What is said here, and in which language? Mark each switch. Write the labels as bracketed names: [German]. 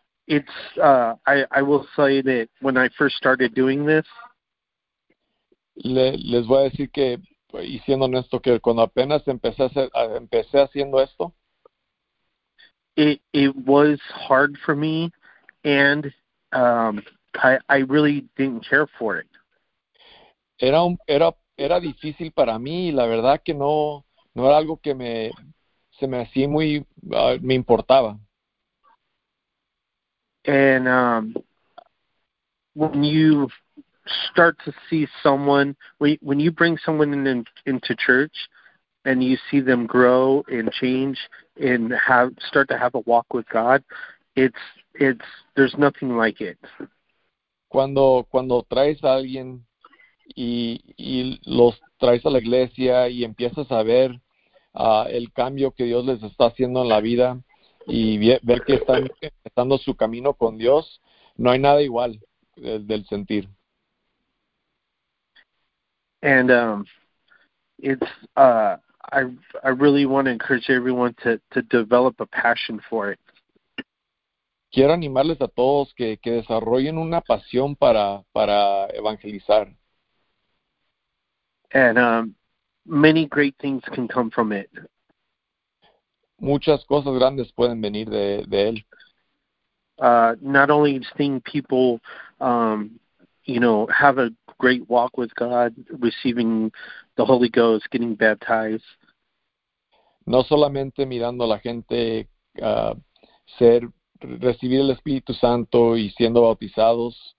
[English] I will say that when I first started doing this, [Spanish] les voy a decir que y siendo honesto que cuando apenas empecé haciendo esto, [English] it was hard for me, and I really didn't care for it. [Spanish] Era difícil para mí, y la verdad que no era algo que se me hacía muy me importaba. [English] And when you start to see someone, when you bring someone into church and you see them grow and change and start to have a walk with God, it's there's nothing like it. [Spanish] Cuando traes a alguien y los traes a la iglesia y empiezas a ver el cambio que Dios les está haciendo en la vida y ver que están empezando su camino con Dios, no hay nada igual del sentir. [English] And I really want to encourage everyone to develop a passion for it. [Spanish] Quiero animarles a todos que desarrollen una pasión para evangelizar. [English] And many great things can come from it. [Spanish] Muchas cosas grandes pueden venir de él. [English] Not only seeing people, have a great walk with God, receiving the Holy Ghost, getting baptized. [Spanish] No solamente mirando a la gente recibir el Espíritu Santo y siendo bautizados.